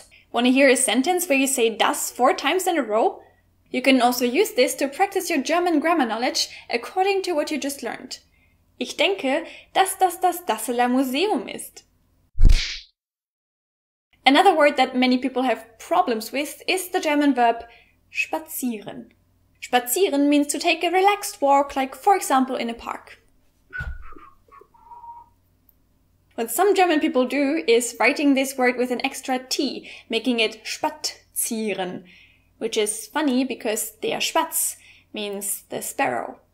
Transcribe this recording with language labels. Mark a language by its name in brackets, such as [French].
[English] Want to hear a sentence where you say das four times in a row? You can also use this to practice your German grammar knowledge according to what you just learned. [German] Ich denke, dass das das Dasseler Museum ist. [English] Another word that many people have problems with is the German verb spazieren. Spazieren means to take a relaxed walk, like for example in a park. What some German people do is writing this word with an extra T, making it spazieren, which is funny because der Spatz means the sparrow.